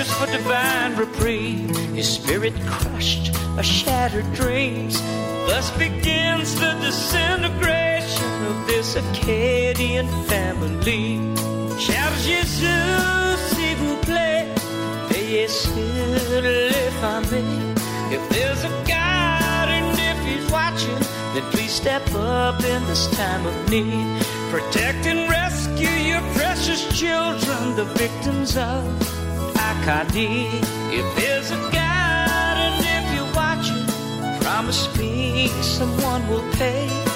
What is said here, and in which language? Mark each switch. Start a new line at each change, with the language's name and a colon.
English: Divine reprieve, his spirit crushed by shattered dreams. Thus begins the disintegration of this Acadian family. Shout Jesus,
French: s'il vous plaît, veuillez sur les familles.
English: If there's a God and if he's watching, then please step up in this time of need. Protect and rescue your precious children, the victims of Acadie. If there's a God and if you're watching, promise me someone will pay.